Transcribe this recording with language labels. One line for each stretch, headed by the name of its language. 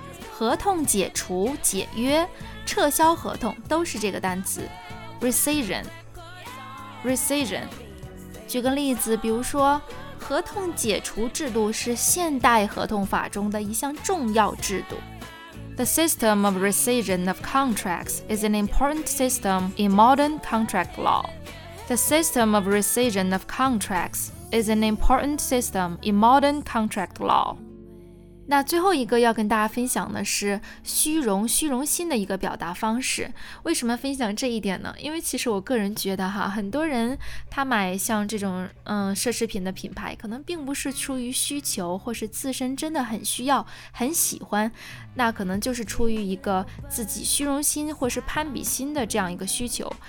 Chinese: 合同解除、解约、撤销合同都是这个单词 Rescission。举个例子，比如说合同解除制度是现代合同法中的一项重要制度。
English: The system of rescission of contracts is an important system in modern contract law. The system of rescission of contracts is an important system in modern contract law.
Chinese: 那最后一个要跟大家分享的是虚荣心的一个表达方式。为什么分享这一点呢？因为其实我个人觉得哈，很多人他买像这种奢侈品的品牌，可能并不是出于需求，或是自身真的很需要很喜欢，那可能就是出于一个自己虚荣心或是攀比心的这样一个需求。